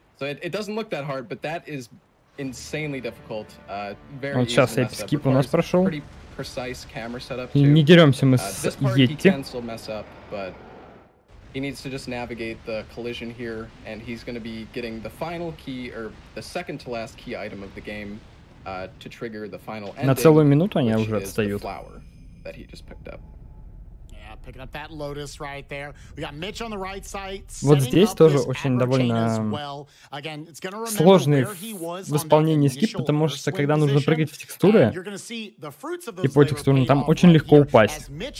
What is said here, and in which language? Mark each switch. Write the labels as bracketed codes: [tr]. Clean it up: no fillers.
[en] So it doesn't look that hard, but that is insanely difficult. [ru] Вот сейчас этот скип у нас прошел. И не деремся мы с Йетти. [en] He needs to just navigate the collision here, and he's going to be getting the final key, or the second to last key item of the game, to trigger the final ending, [ru] на целую минуту они уже отстают. [en] Flower that he just picked up. Yeah, picking up that Lotus right there. We got Mitch on the right side. [ru] Вот здесь тоже очень довольно сложный в исполнении скип, потому что когда нужно прыгать в текстуры и по текстурам, там очень легко упасть.